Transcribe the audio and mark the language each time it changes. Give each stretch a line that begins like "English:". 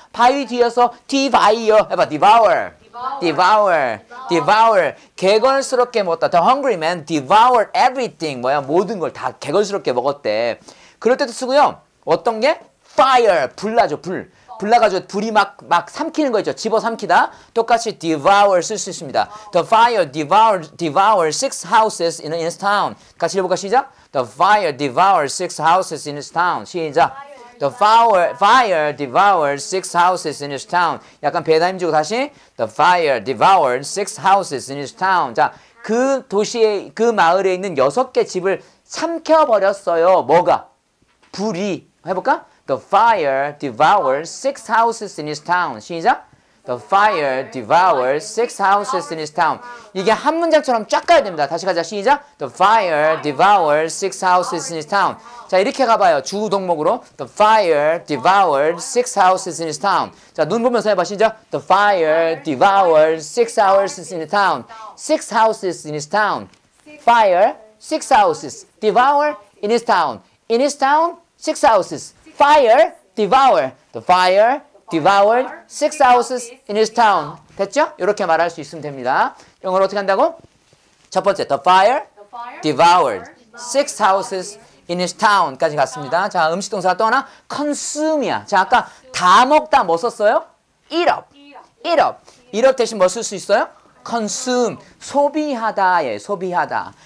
Korean: 바위 뒤에서 디바이어. 해봐.
English: devour. devour. devour.
Korean: 개걸스럽게 먹었다.
English: The hungry man devoured everything.
Korean: 뭐야? 모든 걸 다 개걸스럽게 먹었대. 그럴 때도 쓰고요. 어떤 게? fire. 불 나죠, 불. 불나가지고 불이 막 삼키는 거 있죠. 집어 삼키다. 똑같이 devour 쓸 수 있습니다.
English: The fire devour six houses in this town.
Korean: 같이 읽어볼까 시작.
English: The fire devour six houses in this town.
Korean: 시작.
English: The fire devoured six houses in his town.
Korean: 약간 배다임 주고 다시.
English: The fire devoured six houses in his town.
Korean: 자, 그 도시에, 그 마을에 있는 여섯 개 집을 삼켜버렸어요. 뭐가? 불이. 해볼까?
English: The fire devoured six houses in his town.
Korean: 시작.
English: The fire devoured six houses in his town.
Korean: 이게 한 문장처럼 쫙 가야 됩니다. 다시 가자. 시작.
English: The fire devoured six houses in his town.
Korean: 자, 이렇게 가봐요. 주 동목으로.
English: The fire devoured six houses in his town.
Korean: 자, 눈 보면서 해봐. 시작.
English: The fire devoured six houses in his town. Six houses in his town. Fire, six houses. Devour, in his town. In his town, six houses. Fire, devour. The fire devoured six houses in his town.
Korean: 됐죠? 이렇게 말할 수 있으면 됩니다. 영어로 어떻게 한다고? 첫 번째,
English: the fire devoured six houses in his town
Korean: 까지 갔습니다. 자, 음식 동사 또 하나, consume이야. 자, 아까 다 먹다 뭐 썼어요?
English: Eat up. Eat up
Korean: 대신 뭐 쓸 수 있어요? Consume, 소비하다예, 소비하다.